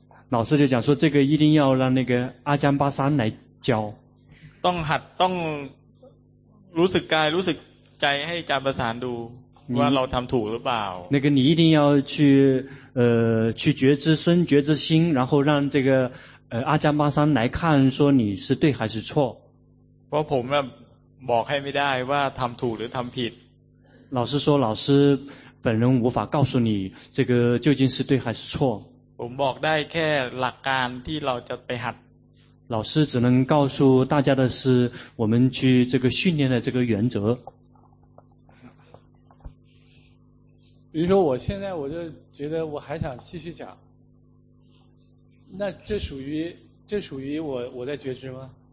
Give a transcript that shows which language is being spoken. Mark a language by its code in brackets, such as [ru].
[zh] 老师就讲说这个一定要让那个阿江巴山来教 [th] ต้องหัดต้องรู้สึกกายรู้สึกใจให้อาจารย์ประสานดูว่าเราทำถูกหรือเปล่า [zh] 那个你一定要去觉知身觉知心然后让这个阿江巴山来看说你是对还是错 [th] เพราะผมบอกให้ไม่ได้ว่าทำถูกหรือทำผิด [zh] 老师说老师本人无法告诉你这个究竟是对还是错 [th] ผมบอกได้แค่หลักการที่เราจะไปหัด [zh] 老师只能告诉大家的是我们去这个训练的这个原则比如说我现在我就觉得我还想继续讲那这属于我在觉知吗